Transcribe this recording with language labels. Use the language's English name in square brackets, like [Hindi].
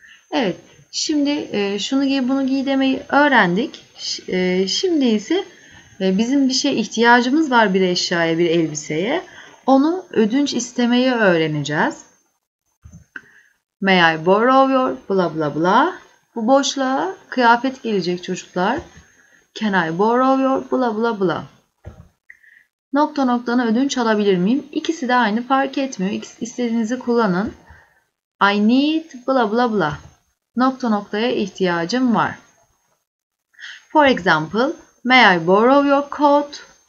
[Turkish] Evet, şimdi şunu giy, bunu giy demeyi öğrendik. Şimdi ise bizim bir şeye ihtiyacımız var, bir eşyaya, bir elbiseye. Onu ödünç istemeyi öğreneceğiz. [English] May I borrow your blah blah blah. [Turkish] Bu boşluğa kıyafet gelecek çocuklar. [English] Can I borrow your blah blah blah. [Turkish] Nokta noktana ödünç alabilir miyim? İkisi de aynı, fark etmiyor. İstediğinizi kullanın. [English] I need blah blah blah. [Turkish] Nokta noktaya ihtiyacım var. [English] For example, may I borrow your coat?